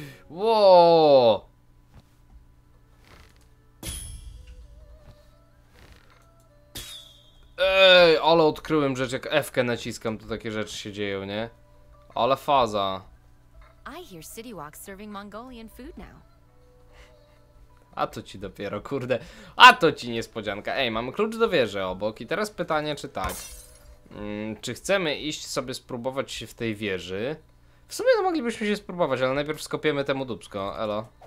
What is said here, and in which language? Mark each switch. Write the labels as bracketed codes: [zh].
[pl] Wow! Ej, ale odkryłem rzecz, jak F-kę naciskam, to takie rzeczy się dzieją, nie? Ale faza! [en] I hear City Walk serving Mongolian food now. [pl] A to ci dopiero, kurde. A to ci niespodzianka. Ej, mamy klucz do wieży obok i teraz pytanie, czy tak. Czy chcemy iść sobie spróbować się w tej wieży? W sumie to moglibyśmy się spróbować, ale najpierw skopiemy temu dupsko. Elo.